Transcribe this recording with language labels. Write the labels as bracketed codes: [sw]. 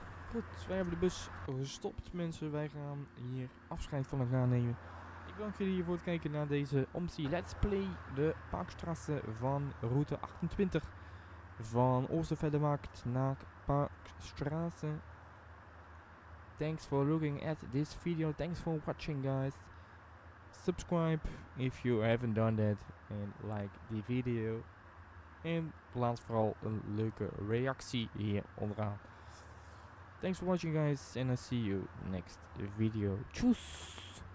[nl] Goed, wij hebben de bus gestopt, mensen. Wij gaan hier afscheid van elkaar nemen. Ik dank jullie voor het kijken naar deze Omsi Let's Play. De Parkstrasse van route 28. Van Oosterveldermarkt naar Parkstrasse. [en] Thanks for looking at this video. Thanks for watching, guys. Subscribe if you haven't done that. And like the video. [nl] En laat vooral een leuke reactie hier onderaan. [en] Thanks for watching, guys, and I see you next video. Tjus!